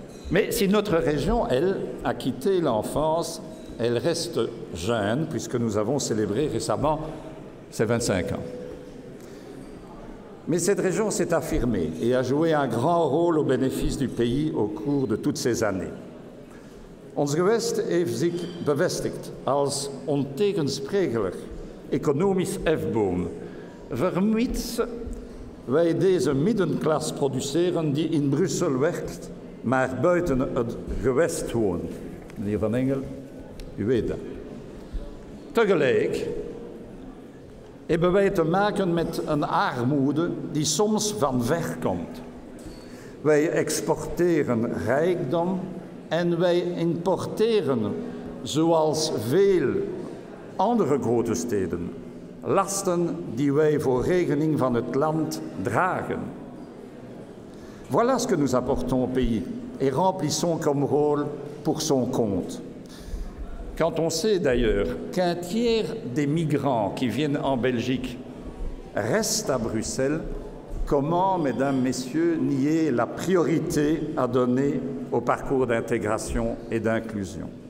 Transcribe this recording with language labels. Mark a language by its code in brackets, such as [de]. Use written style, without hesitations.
[fr] Mais si notre région, elle, a quitté l'enfance, elle reste jeune, puisque nous avons célébré récemment ses 25 ans. Mais cette région s'est affirmée et a joué un grand rôle au bénéfice du pays au cours de toutes ces années. [nl] Ons gewest heeft zich bevestigd als ontegensprekelijk economisch hefboom, vermits wij deze middenklasse produceren die in Brussel werkt, maar buiten het gewest woont. Meneer Van Engel, u weet dat. Tegelijk hebben wij te maken met een armoede die soms van ver komt. Wij exporteren rijkdom en wij importeren, zoals veel andere grote steden, lasten die wij voor rekening van het land dragen. [fr] Voilà ce que nous apportons au pays et remplissons comme rôle pour son compte. Quand on sait d'ailleurs qu'un tiers des migrants qui viennent en Belgique restent à Bruxelles, comment, mesdames, messieurs, nier la priorité à donner au parcours d'intégration et d'inclusion?